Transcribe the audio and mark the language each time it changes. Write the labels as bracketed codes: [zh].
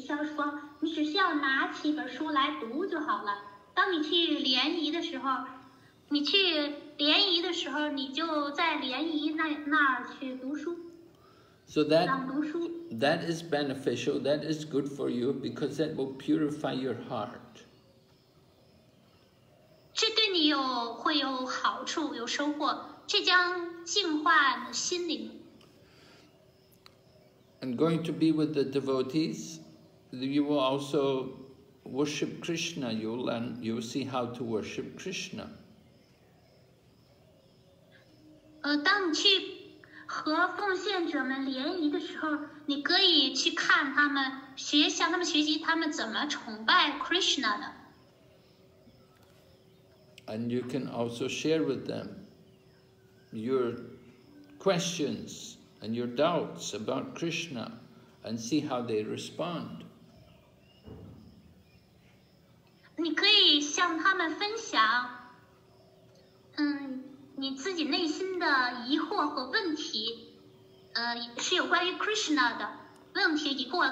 [zh] 像说，你只需要拿起一本书来读就好了。当你去联谊的时候，你就在联谊那儿去读书。 [en] So that is beneficial. That is good for you because that will purify your heart. [zh] 这对你会有好处，有收获，这将净化心灵。 [en] And going to be with the devotees, you will also worship Krishna. You'll see how to worship Krishna. [zh] 当你去和奉献者们联谊的时候，你可以去看他们，向他们学习他们怎么崇拜 Krishna 的。 [en] And you can also share with them your questions and your doubts about Krishna and see how they respond. You can share with them your questions and your doubts about Krishna and see how they respond.